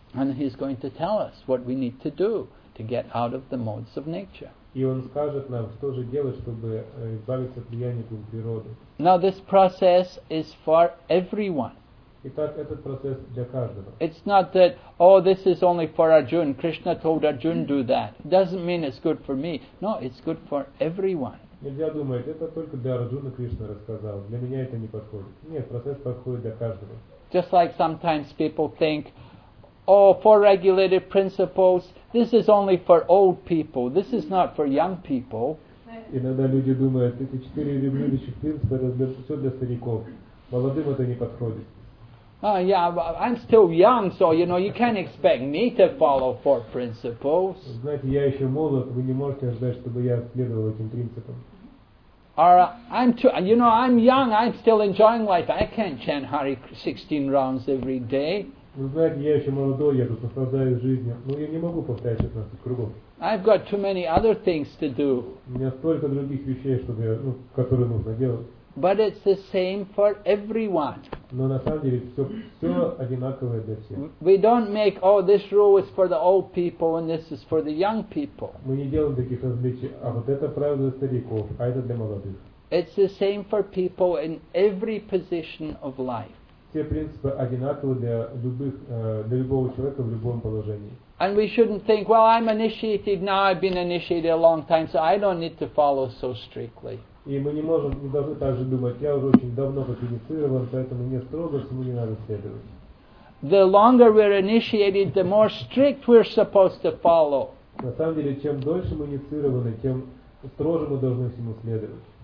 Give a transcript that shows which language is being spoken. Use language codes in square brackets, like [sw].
[en] And he's going to tell us what we need to do to get out of the modes of nature. [ru] И он скажет нам, что же делать, чтобы избавиться от влияния дух природы. [en] Now this process is for everyone. [ru] Итак, этот процесс для каждого. [en] It's not that, oh, this is only for Arjuna. Krishna told Arjuna do that. Doesn't mean it's good for me. No, it's good for everyone. [ru] Нельзя думать, это только для Арджуны Кришна рассказал. Для меня это не подходит. Нет, процесс подходит для каждого. [en] Just like sometimes people think, oh, four regulated principles, this is only for old people, this is not for young people. [ru] Иногда люди думают, эти четыре регулирующих принципа, это все для стариков. Молодым это не подходит. [en] Oh, yeah, I'm still young, so, you know, you can't expect me to follow four principles. [ru] Знаете, я еще молод, вы не можете ожидать, чтобы я следовал этим принципам. [en] Or, I'm too, you know, I'm young, I'm still enjoying life, I can't chant Hare 16 rounds every day. [ru] Вы знаете, я еще молодой, я тут наслаждаюсь жизнью, но я не могу повторять 16 кругов. [en] I've got too many other things to do. [ru] У меня столько других вещей, чтобы я, ну, которые нужно делать. [en] But it's the same for everyone. [ru] Но на самом деле все одинаковое для всех. [en] We don't make, oh, this rule is for the old people and this is for the young people. [ru] Мы не делаем таких различий, а вот это правило для стариков, а это для молодых. [en] It's the same for people in every position of life. [ru] Все принципы одинаковы для любого человека в любом положении. [en] And we shouldn't think, well, I'm initiated now, I've been initiated a long time, so I don't need to follow so strictly. [ru] И мы не можем, не должны так же думать, я уже очень давно инициирован, поэтому мне строго, всему не надо следовать. [en] The longer we're initiated, the more strict we're supposed to follow. [ru] На самом деле, чем дольше мы инициированы, тем строже мы должны всему следовать.